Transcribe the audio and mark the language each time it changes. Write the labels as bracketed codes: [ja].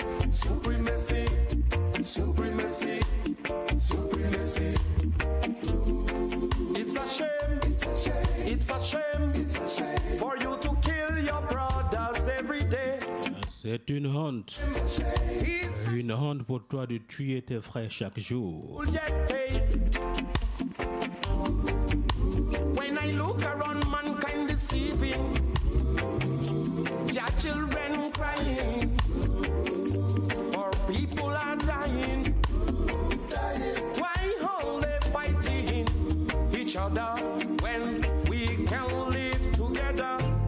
[en] Supremacy, supremacy, supremacy. Ooh. It's a shame, it's a shame, it's a shame, it's a shame for you to kill your brothers every day. [fr] C'est une honte. [en] It's a shame. [fr] Une honte pour toi de tuer tes frères chaque jour. [en] When I look around, mankind deceiving, your children crying, or people are dying. Why are they fighting each other when we can live together?